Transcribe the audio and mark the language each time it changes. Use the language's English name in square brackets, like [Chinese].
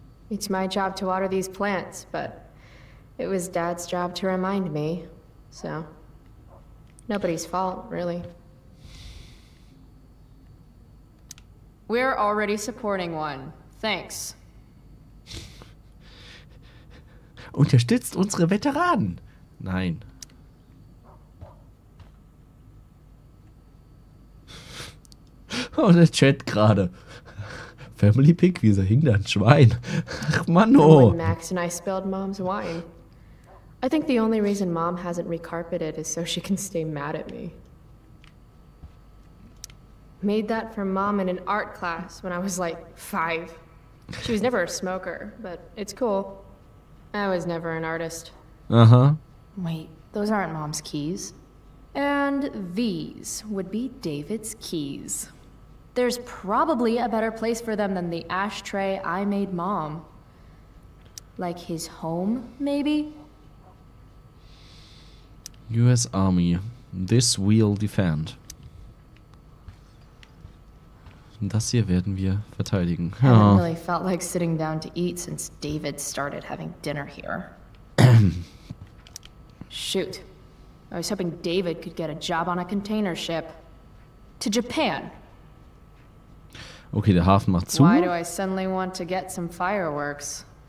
[English] It's my job to water these plants, but it was Dad's job to remind me. So, nobody's fault, really. We're already supporting one. Thanks. [German] Unterstützt unsere Veteranen. Nein. Oh, der Chat gerade. Family Pick, wieso hing da ein Schwein? Ach, Mann, oh. [English] When Max and I spilled Mom's wine. I think the only reason Mom hasn't recarpeted is so she can stay mad at me. Made that for Mom in an art class when I was like 5. She was never a smoker, but it's cool. I was never an artist. Uh-huh. Wait, those aren't Mom's keys. And these would be David's keys. There's probably a better place for them than the ashtray I made Mom. Like his home, maybe? US Army. This we'll defend. [German] Das hier werden wir verteidigen. [English] I haven't really felt like sitting down to eat since David started having dinner here. Shoot. I was hoping David could get a job on a container ship. To Japan. [German] Okay, der Hafen macht zu. [English] Why do I suddenly want to get some fireworks?